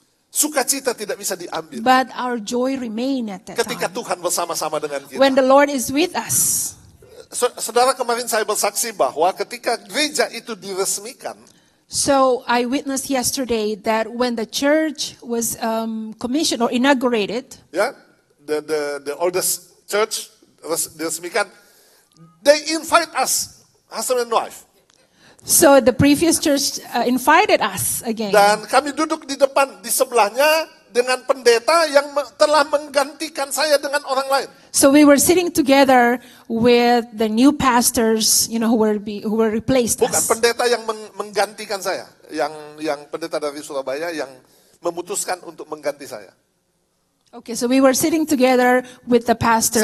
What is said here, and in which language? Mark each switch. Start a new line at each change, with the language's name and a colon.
Indonesian: Sukacita tidak bisa diambil.
English: But our joy remained at that
Indonesian: ketika
English: time.
Indonesian: Tuhan bersama-sama dengan kita.
English: When the Lord is with us.
Indonesian: Saudara, kemarin saya bersaksi bahwa ketika gereja itu diresmikan.
English: So I witnessed yesterday that when the church was commissioned or inaugurated. Yeah, the oldest church diresmikan. They invite us, husband and wife. So the previous church invited us again.
Indonesian: Dan kami duduk di depan, di sebelahnya. Dengan pendeta yang telah menggantikan saya dengan orang lain.
English: So we were sitting together with the new pastors, you know, who were replaced.
Indonesian: Bukan
English: us.
Indonesian: Pendeta yang menggantikan saya, yang pendeta dari Surabaya yang memutuskan untuk mengganti saya.
English: Okay, so we were sitting together with the pastors.